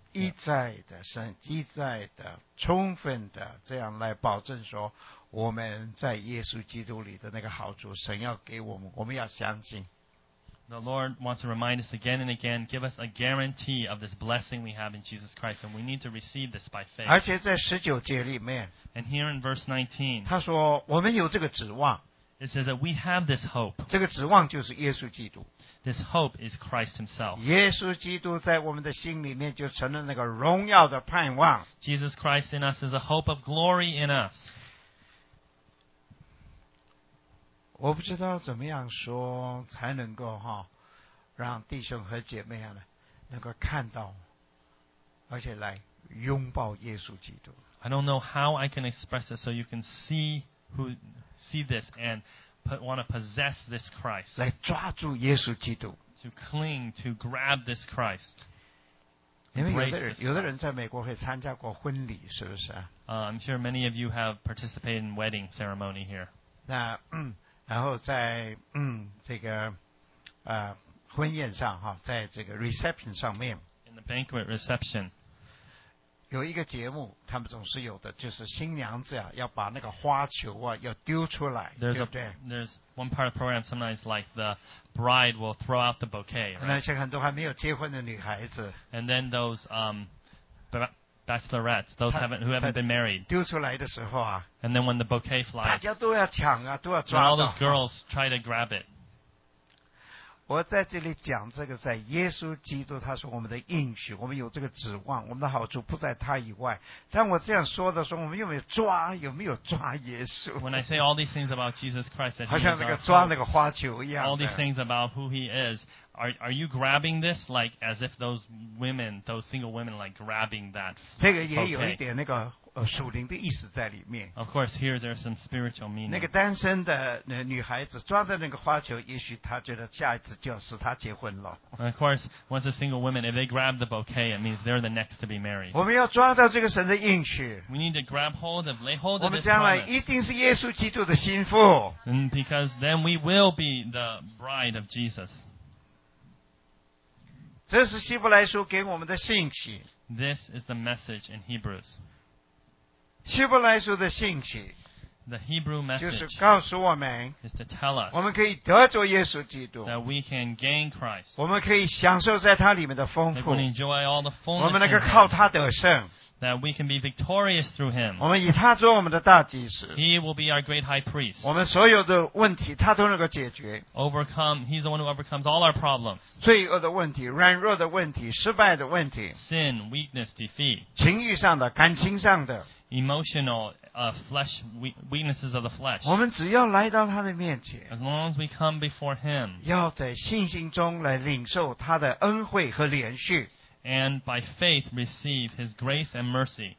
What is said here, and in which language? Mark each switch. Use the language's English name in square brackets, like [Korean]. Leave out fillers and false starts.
[Chinese] 一再的神，一再的充分的这样来保证说我们在耶稣基督里的那个好处，神要给我们，我们要相信。 [English] The Lord wants to remind us again and again, give us a guarantee of this blessing we have in Jesus Christ, and we need to receive this by faith. [Chinese] 而且在十九节里面， [English] and here in verse 19, [Chinese] 他说我们有这个指望。 [English] It says that we have this hope. [Chinese] 这个指望就是耶稣基督。 [English] This hope is Christ Himself. [Chinese] 耶稣基督在我们的心里面就成了那个荣耀的盼望。 [English] Jesus Christ in us is a hope of glory in us. [Chinese] 我不知道怎么样说才能够哈，让弟兄和姐妹啊能够看到，而且来拥抱耶稣基督。 [English] I don't know how I can express it so you can see who. See this and want to possess this Christ. [Chinese] 来抓住耶稣基督。 [English] To cling, to grab this Christ. [Chinese] 因为有的人在美国会参加过婚礼，是不是？ [English] I'm sure many of you have participated in wedding ceremony here. [Chinese] 那然后在这个婚宴上哈，在这个 reception 上面。 [English] In the banquet reception. [Chinese] 有一个节目他们总是有的，就是新娘子啊要把那个花球啊要丢出来，对不对？ [English] There's one part of the program sometimes like the bride will throw out the bouquet, right? [Chinese] 那些很多还没有结婚的女孩子。 [English] And then those bachelorettes, who haven't been married. [Chinese] 丢出来的时候啊。 [English] And then when the bouquet flies. [Chinese] 大家都要抢啊，都要抓到。 [English] And all those girls try to grab it. [Chinese] 我在这里讲这个，在耶稣基督他是我们的应许，我们有这个指望，我们的好处不在他以外。但我这样说的时候，我们有没有抓耶稣？ [English] When I say all these things about Jesus Christ, [Chinese] 好像那个抓那个花球一样。 [English] All these things about who he is, are you grabbing this like as if those women, those single women, like grabbing that? [Chinese] 这个也有一点那个属灵的意思在里面。 [English] Of course, here there's some spiritual meaning. [Chinese] 那个单身的女孩子抓着那个花球，也许她觉得下一次就是她结婚了。 [English] Of course, once a single woman, if they grab the bouquet, it means they're the next to be married. [Chinese] 我们要抓到这个神的应许。 [English] We need to grab hold of, lay hold of this promise. [Chinese] 我们将来一定是耶稣基督的心腹。 [English] And because then we will be the bride of Jesus. [Chinese] 这是希伯来书给我们的信息。 [English] This is the message in Hebrews. [Chinese] 希伯来书的信息 [English] The Hebrew message [Chinese] 就是告诉我们 [English] is to tell us [Chinese] 我们可以得着耶稣基督 [English] that we can gain Christ [Chinese] 我们可以享受在他里面的丰富 [English] that we can enjoy all the fullness [Chinese] 我们能够靠他得胜 [English] That we can be victorious through him. He will be our great high priest. He's the one who overcomes all our problems. [Chinese] 罪恶的问题, 软弱的问题, 失败的问题, [English] sin, weakness, defeat. [Chinese] 情欲上的, 感情上的, [English] emotional, flesh, weaknesses of the flesh. [Chinese] 我们只要来到他的面前, [English] as long as we come before him, [Chinese] 要在信心中来领受他的恩惠和连续, [English] and by faith receive his grace and mercy.